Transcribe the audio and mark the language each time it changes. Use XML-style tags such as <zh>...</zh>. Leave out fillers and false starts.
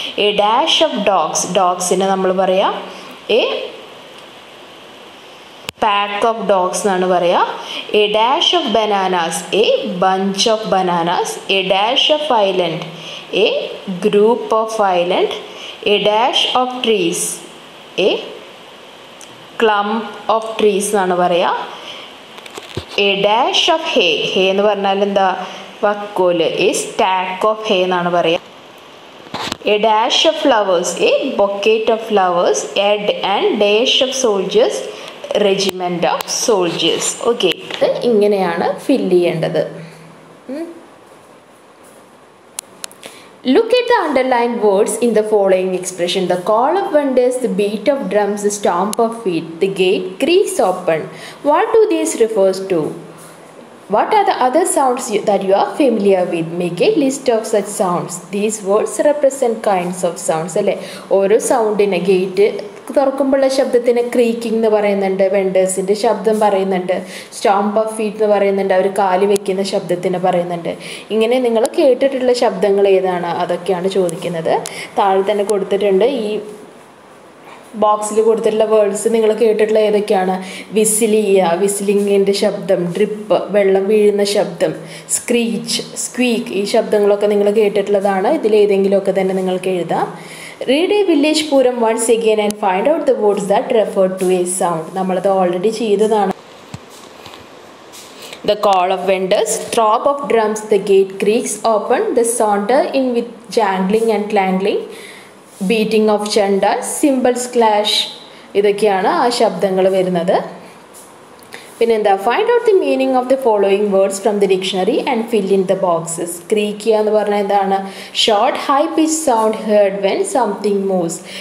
<en>a dash of dogs,</en> <ml>ഡോഗ്സിനെ നമ്മൾ പറയുക,</ml> <en>a pack of dogs</en> <ml>എന്നാണ് പറയുക.</ml> <en>A dash of bananas, a bunch of bananas. A dash of island, a group of island. A dash of trees, A clump of trees</en> <ml>എന്നാണ് പറയുക.</ml> <en>a dash of hay, hay</en> <ml>എന്ന് പറഞ്ഞാൽ എന്താ വക്കോല്,</ml> <en>a stack of hay</en> <ml>എന്നാണ് പറയുക.</ml> <en>A dash of flowers, a bouquet of flowers. Ed and dash of soldiers, regiment of soldiers.</en> <ml>Okay, ഇത് ഇങ്ങനെയാണ് fill ചെയ്യേണ്ടത്.</ml> <en>Look at the underlined words in the following expression. The call of wonders, the beat of drums, the stomp of feet, the gate creaks open. What do these refers to? What are the other sounds that you are familiar with? Make a list of such sounds. These words represent kinds of sounds.</en> <ml>അല്ലെ, ഓരോ സൗണ്ടിന്, gate തുറക്കുമ്പോഴുള്ള ശബ്ദത്തിന് creaking എന്ന് പറയുന്നുണ്ട്, വെണ്ടേഴ്സിൻ്റെ ശബ്ദം പറയുന്നുണ്ട്, സ്റ്റോംപ് of feet എന്ന് പറയുന്നുണ്ട്, അവർ കാല് വെക്കുന്ന ശബ്ദത്തിന് പറയുന്നുണ്ട്. ഇങ്ങനെ നിങ്ങൾ കേട്ടിട്ടുള്ള ശബ്ദങ്ങൾ ഏതാണ്, അതൊക്കെയാണ് ചോദിക്കുന്നത്. താഴെ തന്നെ കൊടുത്തിട്ടുണ്ട്, ഈ ബോക്സിൽ കൊടുത്തിട്ടുള്ള വേർഡ്സ് നിങ്ങൾ കേട്ടിട്ടുള്ള ഏതൊക്കെയാണ്, വിസിലി ചെയ്യുക, വിസിലിങ്ങിൻ്റെ ശബ്ദം, ഡ്രിപ്പ്, വെള്ളം വീഴുന്ന ശബ്ദം, സ്ക്രീച്ച്, സ്ക്വീക്ക്, ഈ ശബ്ദങ്ങളൊക്കെ നിങ്ങൾ കേട്ടിട്ടുള്ളതാണ്. ഇതിലേതെങ്കിലുമൊക്കെ തന്നെ നിങ്ങൾക്ക് എഴുതാം.</ml> <en>Read a village pooram once again and find out the words that refer to a sound.</en> <ml>നമ്മളത് ഓൾറെഡി ചെയ്തതാണ്.</ml> <en>The call of vendors, throb of drums, the gate creaks open, the saunter in with jangling and clangling, beating of chanda, cymbals clash.</en> <ml>ഇതൊക്കെയാണ് ആ ശബ്ദങ്ങൾ വരുന്നത്. പിന്നെന്താ,</ml> <en>Find out the meaning of the following words from the dictionary and fill in the boxes.</en> <ml>ക്രീക്കുക എന്ന് പറഞ്ഞാൽ എന്താണ്,</ml> <en>Short high pitch sound heard when something moves.</en>